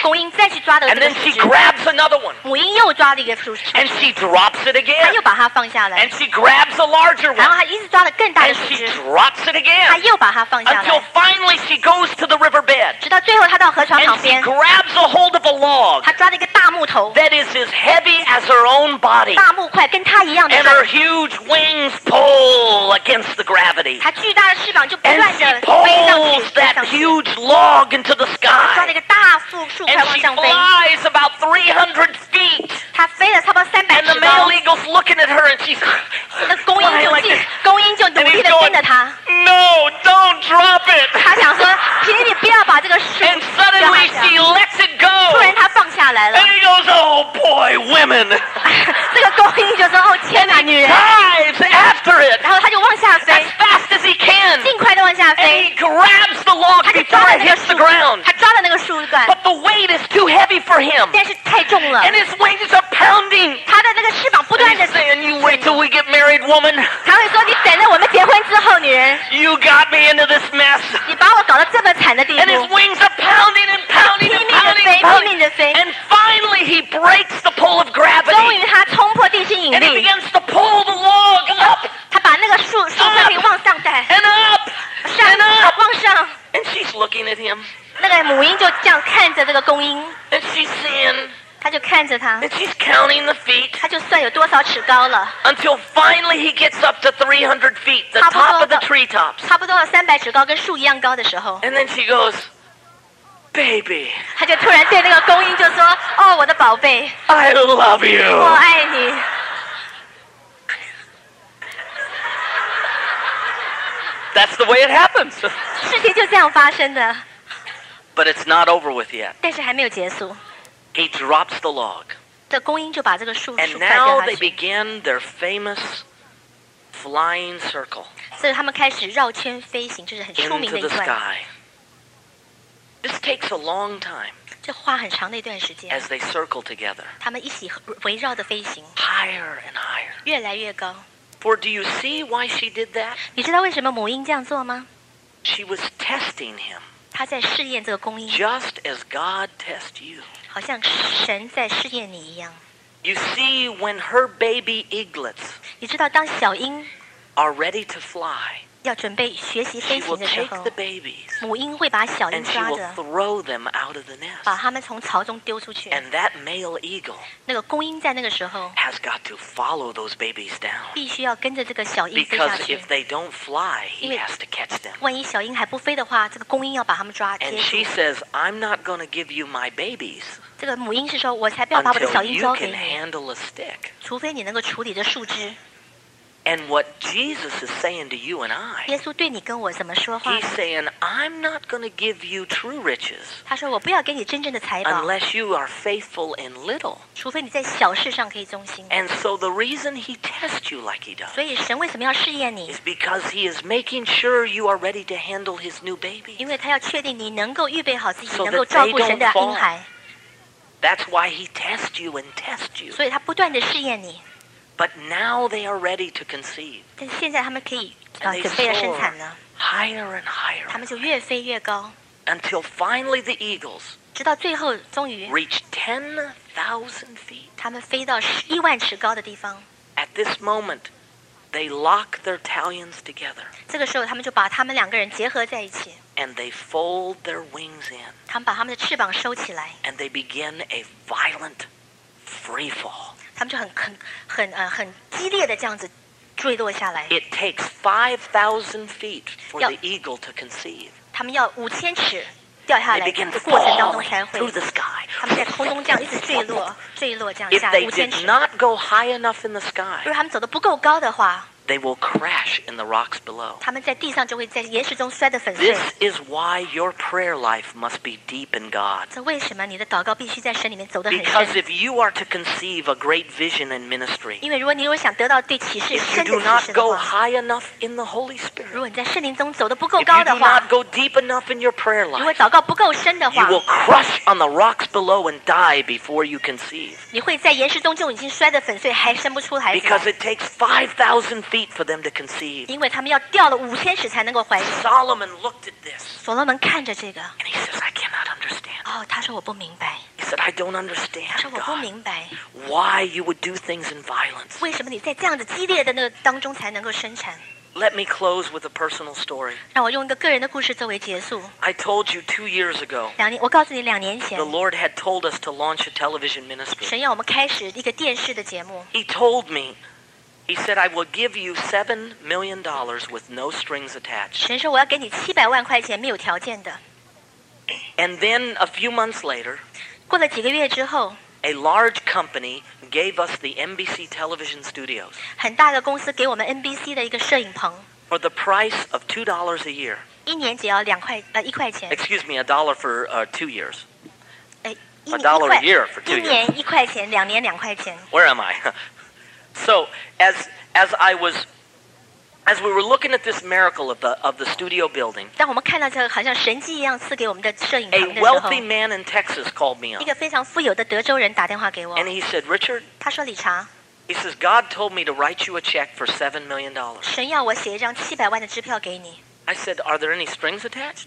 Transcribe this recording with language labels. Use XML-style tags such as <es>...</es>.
<zh>公鹰再去抓了这个树枝。</zh> <en>And then she grabs another one.</en> <zh>母鹰又抓了一个树枝。</zh> <en>And she drops it again.</en> <zh>她又把它放下来。</zh> <en>And she grabs a larger one.</en> <zh>然后她一直抓了更大的树枝。</zh> <en>And she drops it again.</en> <zh>她又把它放下来。</zh> <en>Until finally she goes to the riverbed.</en> <zh>直到最后她到河床旁边。</zh> <en>And she grabs a hold of a log.</en> <zh>她抓了一个大木头。</zh> <en>That is as heavy as her own body.</en> <zh>大木块跟她一样的重。</zh> <en>And her huge wings pull against the gravity.</en> <zh>她巨大的翅膀就不断地飞上去。</zh> <en>And she pulls that huge log into the sky.</en> <zh>抓了一个大树块往上飞。</zh> <en>And she flies about 300 feet.</en> <zh>她飞了差不多300尺高。</zh> <en>And the male eagle's looking at her and she's</en> <zh>那公鹰就近。公鹰就努力地跟着他。</zh> <en>No, don't drop it.</en> <zh>他想说，请你不要把这个树掉下来。</zh> <en>And suddenly she lets it go.</en> <zh>突然他放下来了。</zh> <en>And he goes, oh boy, women.</en> <zh>这个公鹰就说，哦，天哪，女人。</zh> <en>Dives after it.</en> <zh>然后他就往下飞。</zh> <en>As fast as he can.</en> <zh>尽快地往下飞。</zh> <en>And he grabs the log before it hits the ground.</en> <zh>他抓了那个树干。</zh> <en>But the weight is too heavy for him.</en> <zh>但是太重了。</zh> <en>And his wings are pounding.</en> <zh>他的那个翅膀不断地。</zh> <en>He's saying, you wait till we get married, woman.</en> <zh>他会说。你等着我们结婚之后，女人。</zh> <en>You got me into this mess.</en> <zh>你把我搞到这么惨的地步。</zh> <en>And his wings are pounding and pounding and pounding and pounding.</en> <zh>拼命的飞。</zh> <en>And finally, he breaks the pull of gravity.</en> <zh>终于他冲破地心引力。</zh> <en>And he begins to pull the log up.</en> <zh>他把那个树干给往上带。</zh> <en>And up.</en> <zh>上。</zh> <en>And up.</en> <zh>往上。</zh> <en>And she's looking at him.</en> <zh>那个母鹰就这样看着这个公鹰。</zh> <en>And she's saying.</en> <zh>他就看着他。</zh> <en>And she's counting the feet.</en> <zh>他就算有多少尺高了。</zh> <en>Until finally he gets up to 300 feet, the top of the treetops.</en> <zh>差不多了300尺高，跟树一样高的时候。</zh> <en>And then she goes, baby.</en> <zh>他就突然对那个公鹰就说，哦，我的宝贝。</zh> <en>I love you.</en> <zh>我爱你。</zh> <en>That's the way it happens.</en> <zh>事情就这样发生的。</zh> <en>But it's not over with yet.</en> <zh>但是还没有结束。</zh> <en>He drops the log.</en> <zh>这公鹰就把这个树</zh> <en>And now they begin their famous flying circle.</en> <zh>所以他们开始绕圈飞行，这是很出名的一段。</zh> <en>Into the sky. This takes a long time.</en> <zh>这花很长的一段时间。</zh> <en>As they circle together.</en> <zh>他们一起围绕着飞行。</zh> <en>Higher and higher.</en> <zh>越来越高。</zh> <en>For do you see why she did that?</en> <zh>你知道为什么母鹰这样做吗？</zh> <en>She was testing him.</en> <zh>她在试验这个公鹰。</zh> <en>Just as God tests you.</en> <zh>好像神在试验你一样。</zh> <en>You see, when her baby eaglets,</en> <zh>你知道当小鹰</zh> <en>are ready to fly,</en> <zh>要准备学习飞行的时候</zh> <en>she will take the babies,</en> <zh>母鹰会把小鹰抓着</zh> <en>and she will throw them out of the nest,</en> <zh>把他们从巢中丢出去</zh> <en>and that male eagle,</en> <zh>那个公鹰在那个时候</zh> <en>has got to follow those babies down,</en> <zh>必须要跟着这个小鹰飞下去</zh> <en>because if they don't fly, he has to catch them.</en> <zh>万一小鹰还不飞的话，这个公鹰要把他们抓接住</zh> <en>and she says, I'm not going to give you my babies.</en> <zh>这个母鹰是说，我才不要把我的小鹰交给你。</zh> <en>Until you can handle a stick.</en> <zh>除非你能够处理这树枝。</zh> <en>And what Jesus is saying to you and I.</en> <zh>耶稣对你跟我怎么说话</zh> <en>？He's saying, I'm not going to give you true riches.</en> <zh>他说我不要给你真正的财宝。</zh> <en>Unless you are faithful in little.</en> <zh>除非你在小事上可以忠心。</zh> <en>And so the reason he tests you like he does.</en> <zh>所以神为什么要试验你</zh> <en>？Is because he is making sure you are ready to handle his new baby.</en> <zh>因为他要确定你能够预备好自己，能够照顾神的婴孩。</zh> <en>That's why he tests you and tests you.</en> <zh>所以他不断地试验你。</zh> <en>But now they are ready to conceive.</en> <zh>但现在他们可以准备要生产呢。</zh> <en>Higher and higher.</en> <zh>他们就越飞越高。</zh> <en>Until finally the eagles.</en> <zh>直到最后，终于。</zh> <en>Reach 10,000 feet.</en> <zh>他们飞到10,000尺高的地方。</zh> <en>At this moment, they lock their talons together.</en> <zh>这个时候他们就把他们两个人结合在一起。</zh> <en>And they fold their wings in.</en> <zh>他们把他们的翅膀收起来。</zh> <en>And they begin a violent free fall.</en> <zh>他们就很激烈的这样子坠落下来。</zh> <en>It takes 5,000 feet for the eagle to conceive.</en> <zh>他们要五千尺掉下来的过程当中才会。</zh> <en>Through the sky.</en> <zh>他们在空中这样一直坠落这样下来五千尺。</zh> <en>If they did not go high enough in the sky.</en> <zh>如果他们走得不够高的话。</zh> <en>They will crash in the rocks below.</en> <zh>他们在地上就会在岩石中摔得粉碎。</zh> <en>This is why your prayer life must be deep in God.</en> <zh>这为什么你的祷告必须在神里面走得很深</zh> <en>？Because if you are to conceive a great vision in ministry,</en> <zh>因为如果你如果想得到对启示深的启示的话</zh> <en>，If you do not go high enough in the Holy Spirit,</en> <zh>如果你在圣灵中走得不够高的话</zh> <en>，If you do not go deep enough in your prayer life,</en> <zh>如果祷告不够深的话</zh> <en>，You will crush on the rocks below and die before you conceive.</en> <zh>你会在岩石中就已经摔得粉碎，还生不出孩子。</zh> <en>Because it takes 5,000 feet. For them to conceive,</en> <zh>因为他们要掉了五千尺才能够怀孕。</zh> <en>Solomon looked at this.</en> <zh>所罗门看着这个。</zh> <en>And he says, "I cannot understand."</en> <zh>哦，他说我不明白。</zh> <en>He said, "I don't understand."</en> <zh>他说我不明白。</zh> <en>Why you would do things in violence?</en> <zh>为什么你在这样子激烈的那个当中才能够生产？</zh> <en>Let me close with a personal story.</en> <zh>让我用一个个人的故事作为结束。</zh> <en>I told you 2 years ago.</en> <zh>两年，我告诉你两年前。</zh> <en>The Lord had told us to launch a television ministry.</en> <zh>神要我们开始一个电视的节目。</zh> <en>He told me. He said, "I will give you $7 million with no strings attached."</en> <zh>神说我要给你七百万块钱，没有条件的。</zh> <en>And then a few months later,</en> <zh>过了几个月之后</zh> <en>，a large company gave us the NBC television studios.</en> <zh>很大的公司给我们 NBC 的一个摄影棚。</zh> <en>For the price of $2 a year.</en> <zh>一年只要两块一块钱。</zh> <en>Excuse me, a dollar for 2 years. A dollar a year for 2 years.</en> <zh>一年一块钱，两年两块钱。</zh> <en>Where am I? So as we were looking at this miracle of the studio building,</en> <zh>当我们看到这个好像神迹一样赐给我们的摄影棚的时候</zh> <en>，a wealthy man in Texas called me up.</en> <zh>一个非常富有的德州人打电话给我。</zh> <en>And he said, Richard.</en> <zh>他说理查。</zh> <en>He says God told me to write you a check for $7 million.</en> <zh>神要我写一张七百万的支票给你。</zh> <en>I said, Are there any strings attached?</en>